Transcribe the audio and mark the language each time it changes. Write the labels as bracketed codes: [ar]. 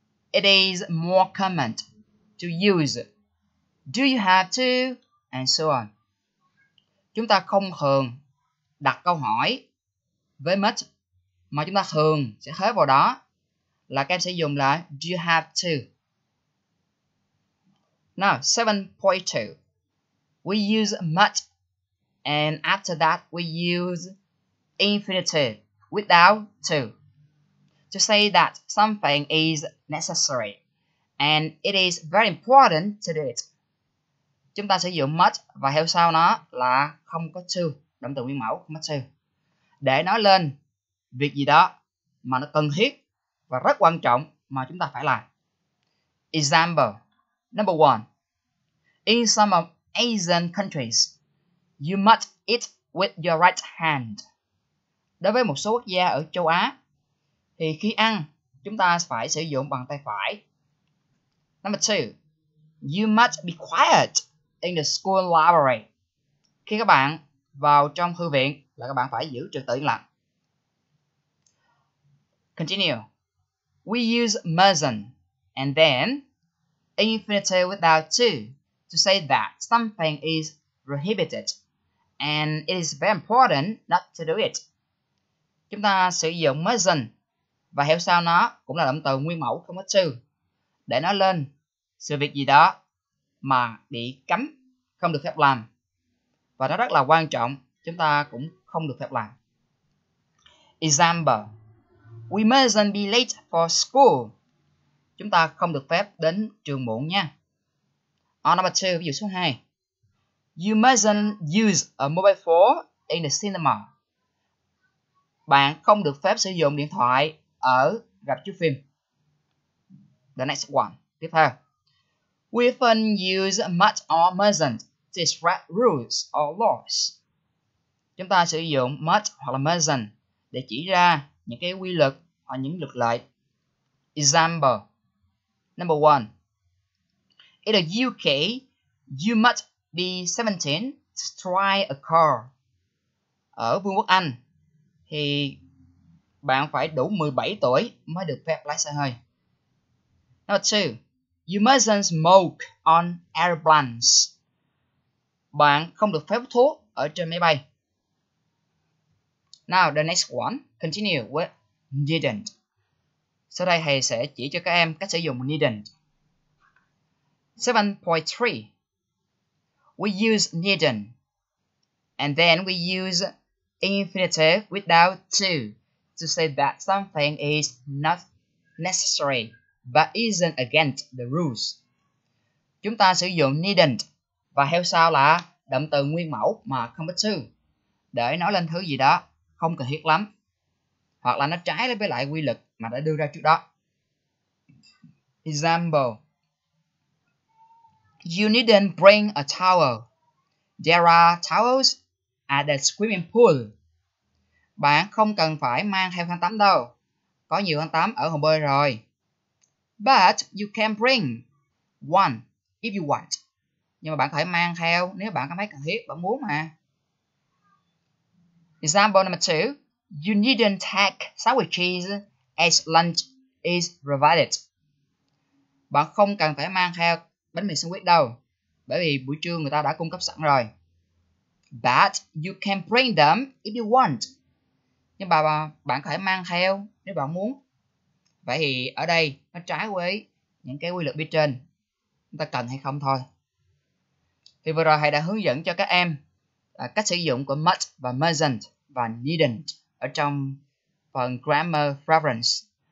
[en] It is more common to use do you have to, and so on. [vi] Chúng ta không thường đặt câu hỏi với must, mà chúng ta thường sẽ khế vào đó là các em sẽ dùng là [en] do you have to. Now, 7.2. We use must, and after that we use infinitive without to say that something is necessary, and it is very important to do it. [vi] Chúng ta sử dụng must và theo sau nó là không có to, động từ nguyên mẫu không có to, để nói lên việc gì đó mà nó cần thiết và rất quan trọng mà chúng ta phải làm. [en] Example number one. In some of Asian countries, you must eat with your right hand. [vi] Đối với một số quốc gia ở châu Á, thì khi ăn chúng ta phải sử dụng bằng tay phải. [en] Number two. You must be quiet in the school library. [vi] Khi các bạn vào trong thư viện là các bạn phải giữ trật tự yên lặng. [en] Continue. We use mustn't and then infinitive without to say that something is prohibited and it is very important not to do it. [vi] Chúng ta sử dụng mustn't và theo sau nó cũng là động từ nguyên mẫu không có to để nói lên sự việc gì đó mà bị cấm, không được phép làm. Và nó rất là quan trọng, chúng ta cũng không được phép làm. Example. [en] We mustn't be late for school. [vi] Chúng ta không được phép đến trường muộn nha. [en] On number two, [vi] ví dụ số 2. [en] You mustn't use a mobile phone in the cinema. [vi] Bạn không được phép sử dụng điện thoại ở rạp chiếu phim. [en] The next one. [vi] Tiếp theo. [en] We often use must or mustn't to express rules or laws. [vi] Chúng ta sử dụng must hoặc là mustn't để chỉ ra những cái quy luật hoặc những luật lệ. [en] Example. Number one. In the UK, you must be 17 to try a car. [vi] Ở Vương quốc Anh thì bạn phải đủ 17 tuổi mới được phép lái xe hơi. [en] Number two. You mustn't smoke on airplanes. [vi] Bạn không được phép thuốc ở trên máy bay. [en] Now the next one. Continue with needn't. [vi] Sau đây thầy sẽ chỉ cho các em cách sử dụng needn't. [en] 7.3. We use needn't. And then we use infinitive without to say that something is not necessary but isn't against the rules. [vi] Chúng ta sử dụng needn't và theo sau là động từ nguyên mẫu mà không có to để nói lên thứ gì đó không cần thiết lắm hoặc là nó trái với lại quy luật mà đã đưa ra trước đó. [en] Example: You needn't bring a towel. There are towels at the swimming pool. [vi] Bạn không cần phải mang theo khăn tắm đâu. Có nhiều khăn tắm ở hồ bơi rồi. [en] But you can bring one if you want. [vi] Nhưng mà bạn có thể mang theo nếu bạn cảm thấy cần thiết, bạn muốn mà. [en] Example number 2. You needn't take sandwiches as lunch is provided. [vi] Bạn không cần phải mang theo bánh mì sandwich đâu. Bởi vì buổi trưa người ta đã cung cấp sẵn rồi. [en] But you can bring them if you want. [vi] Nhưng mà bạn có thể mang theo nếu bạn muốn. Vậy thì ở đây nó trái với những cái quy luật bên trên. Chúng ta cần hay không thôi. Thì vừa rồi thầy đã hướng dẫn cho các em cách sử dụng của must và mustn't và needn't ở trong phần grammar reference.